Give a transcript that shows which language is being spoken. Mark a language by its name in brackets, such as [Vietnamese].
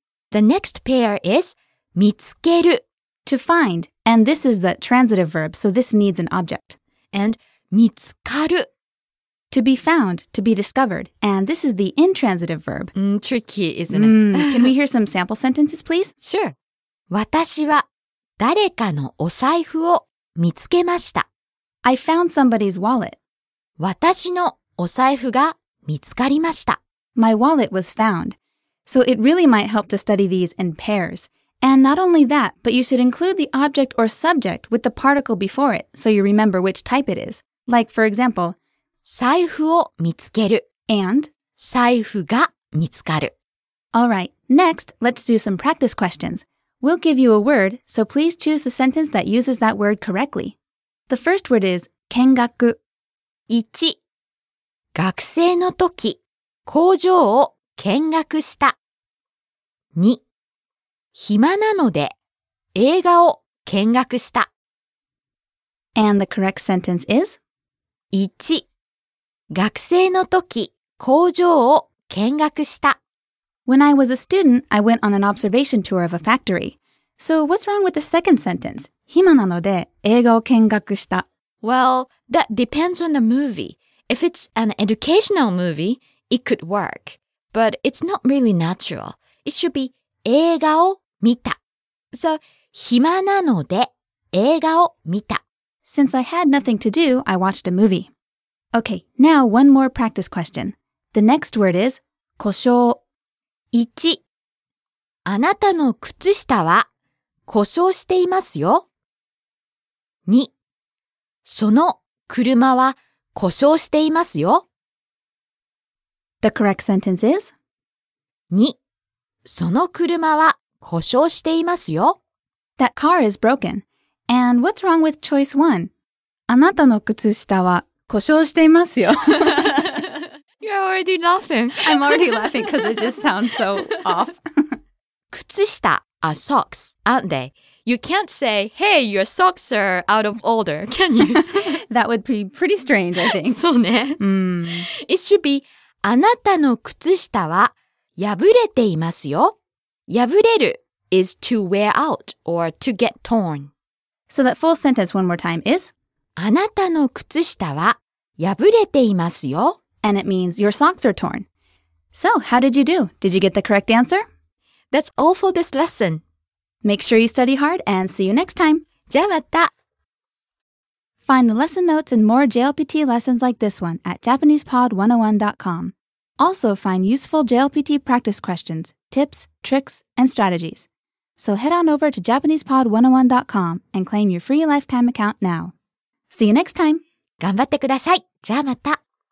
[English] The next pair is 見つける。 To find, and this is the transitive verb, so this needs an object. And 見つかる To be found, to be discovered, and this is the intransitive verb. Tricky, isn't it? Can we hear some sample sentences, please? Sure. [Japanese] 私は誰かのお財布を見つけました。 [English] I found somebody's wallet. [Japanese] 私のお財布が見つかりました。 [English] My wallet was found. So it really might help to study these in pairs. And not only that, but you should include the object or subject with the particle before it, so you remember which type it is. Like, for example, [Japanese] 財布を見つける [English] and [Japanese] 財布が見つかる。 [English] All right, next, let's do some practice questions. We'll give you a word, so please choose the sentence that uses that word correctly. The first word is 見学。 [Japanese] 一、学生の時、工場を見学した。二、暇なので映画を見学した。 [English] And the correct sentence is? 1. [Japanese] 学生の時工場を見学した。 [English] When I was a student, I went on an observation tour of a factory. So what's wrong with the second sentence? [Japanese] 暇なので映画を見学した。 [English] Well, that depends on the movie. If it's an educational movie, it could work. But it's not really natural. It should be [Japanese] 映画を見た。 So, 暇なので映画を見た。 [English] Since I had nothing to do, I watched a movie. Okay, now one more practice question. The next word is 故障。 1. [Japanese] あなたの靴下は故障していますよ。 [English] 2. [Japanese] その車は故障していますよ。 [English] The correct sentence is 2. [Japanese] その車は故障していますよ。 [English] That car is broken. And what's wrong with choice one? [Japanese] あなたの靴下は故障していますよ。 [English] You're already laughing. I'm already laughing because it just sounds so off. 靴下 are socks, aren't they? You can't say, hey, your socks are out of order, can you? That would be pretty strange, I think. [Japanese] そうね。 [English] It should be, [Japanese] あなたの靴下は破れていますよ。 [English] 破れる is to wear out or to get torn. So that full sentence one more time is [Japanese] あなたの靴下は破れていますよ。 [English] And it means your socks are torn. So, how did you do? Did you get the correct answer? That's all for this lesson. Make sure you study hard and see you next time. [Japanese] じゃあまた。 [English] Find the lesson notes and more JLPT lessons like this one at JapanesePod101.com. Also find useful JLPT practice questions. Tips, tricks, and strategies. So head on over to JapanesePod101.com and claim your free lifetime account now. See you next time! [Japanese] 頑張ってください。じゃあまた。